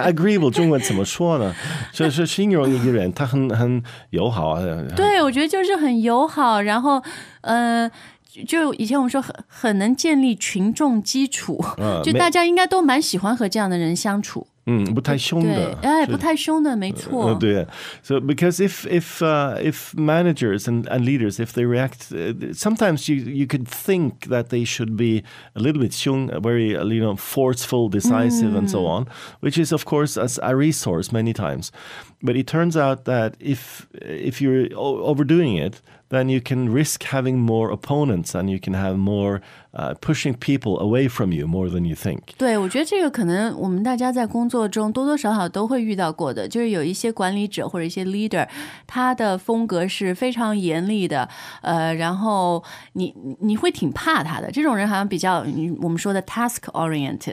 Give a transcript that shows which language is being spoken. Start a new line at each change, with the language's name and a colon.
Chinese: 那 agreeable 中文怎么说呢？就是形容一个人他很友好。对，我觉得就是很友好，然后就以前我们说很能建立群众基础，就大家应该都蛮喜欢和这样的人相处。不太凶的，哎，不太凶的，没错。
English: 对 ，so because if managers and leaders if they react, sometimes you could think that they should be a little bit 凶 very you know forceful, decisive,、and so on, which is of course as a resource many times. But it turns out that if you're overdoing it, then you can risk having more opponents, and you can have more。 Pushing people away from you more than you think.
Chinese: 对，我觉得这个可能我们大家在工作中多多少少都会遇到过的，就是有一些管理者或者一些 leader, 他的风格是非常严厉的，然后你会挺怕他的。这种人好像比较我们说的 task oriented,